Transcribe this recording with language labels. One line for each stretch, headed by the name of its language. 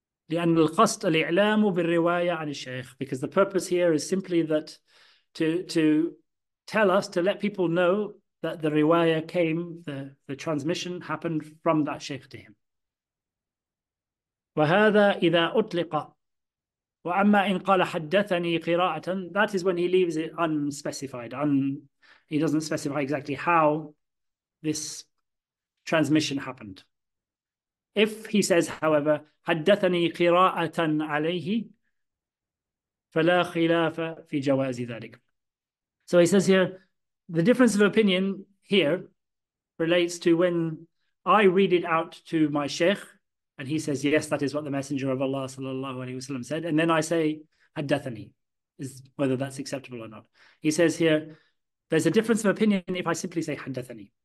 Arabic: لِأَنَّ الْقَصْدَ الْإِعْلَامُ بِالرِّوَايَةِ عَنِ الشَّيْخِ,
English: because the purpose here is simply that to tell us, to let people know that the riwayah came, the transmission happened from that sheikh to him.
Arabic: وَهَذَا إِذَا أُطْلِقَ وَأَمَّا إِنْ قَالَ حَدَّثَنِي قِرَاءَةً,
English: that is when he leaves it unspecified. He doesn't specify exactly how this transmission happened. If he says, however,
Arabic: حَدَّثَنِي قِرَاءَةً عَلَيْهِ فَلَا خِلَافَ فِي جَوَازِ ذَلِكَ.
English: So he says here, the difference of opinion here relates to when I read it out to my sheikh and he says, yes, that is what the messenger of Allah sallallahu alayhi wa sallam said. And then I say, haddathani, is whether that's acceptable or not. He says here, there's a difference of opinion if I simply say haddathani.